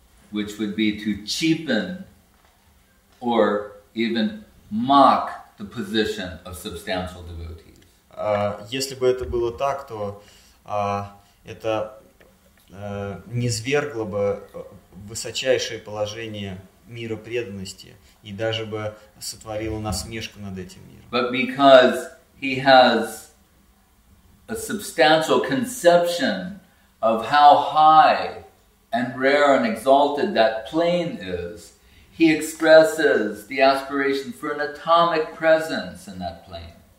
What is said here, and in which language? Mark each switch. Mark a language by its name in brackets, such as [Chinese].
[English] Which would be to cheapen or even mock the position of substantial devotees. [Russian] Если бы это было так, то это низвергло бы высочайшее положение мира преданности и даже бы сотворило насмешку над этим миром. [English] But because he has a substantial conception of how high and rare and exalted that plane is, he expresses the aspiration for an atomic presence in that plane.